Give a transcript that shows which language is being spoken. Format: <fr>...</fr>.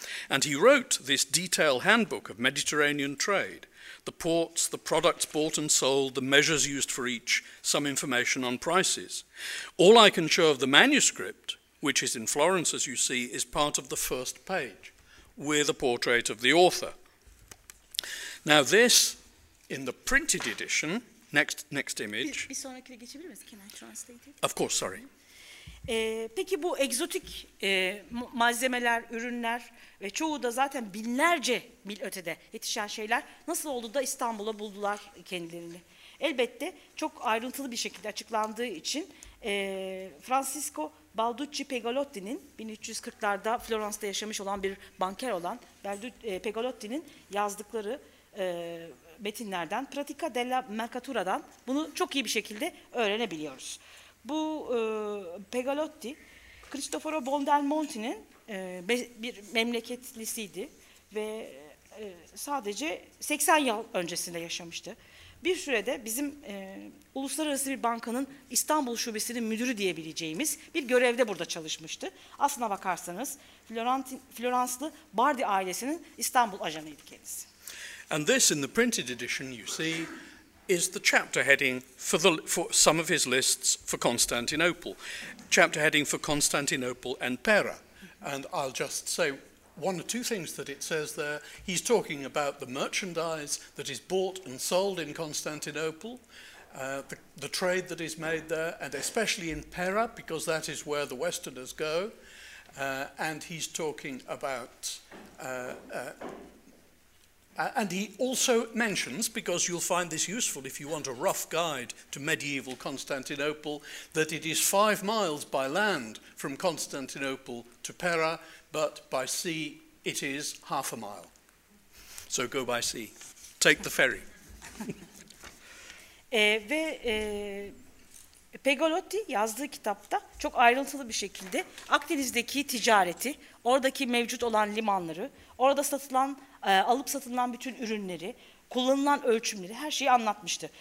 <en>And he wrote this detailed handbook of Mediterranean trade, the ports, the products bought and sold, the measures used for each, some information on prices. All I can show of the manuscript, which is in Florence, as you see, is part of the first page, with a portrait of the author. Now this, in the printed edition, next image.</en> <tr>Bir sonrakine geçebilir miyiz?</tr> <en>Can I translate it? Of course, sorry.</en> <tr>Peki bu egzotik malzemeler, ürünler ve çoğu da zaten binlerce mil ötede yetişen şeyler nasıl oldu da İstanbul'a buldular kendilerini? Elbette çok ayrıntılı bir şekilde açıklandığı için Francisco Balducci Pegolotti'nin 1340'larda Florence'da yaşamış olan bir banker olan Pegolotti'nin yazdıkları metinlerden Pratica della Mercatura'dan bunu çok iyi bir şekilde öğrenebiliyoruz. Bu Pegolotti, Cristoforo Buondelmonti'nin bir memleketlisiydi ve sadece 80 yıl öncesinde yaşamıştı. Bir sürede bizim uluslararası bir bankanın İstanbul şubesinin müdürü diyebileceğimiz bir görevde burada çalışmıştı. Aslına bakarsanız Floranslı Bardi ailesinin İstanbul ajanıydı kendisi.</tr> <en>And this in the printed edition you see is the chapter heading for some of his lists for Constantinople. Chapter heading for Constantinople and Pera. And I'll just say one or two things that it says there. He's talking about the merchandise that is bought and sold in Constantinople, the trade that is made there, and especially in Pera, because that is where the Westerners go. And he's talking about... and he also mentions, because you'll find this useful if you want a rough guide to medieval Constantinople, that it is 5 miles by land from Constantinople to Pera, but by sea it is half a mile. So go by sea. Take the ferry.</en> <tr>ve Pegolotti yazdığı kitapta çok ayrıntılı bir şekilde Akdeniz'deki ticareti, oradaki mevcut olan limanları, orada satılan alıp satılan bütün ürünleri, kullanılan ölçümleri, her şeyi anlatmıştı.</tr>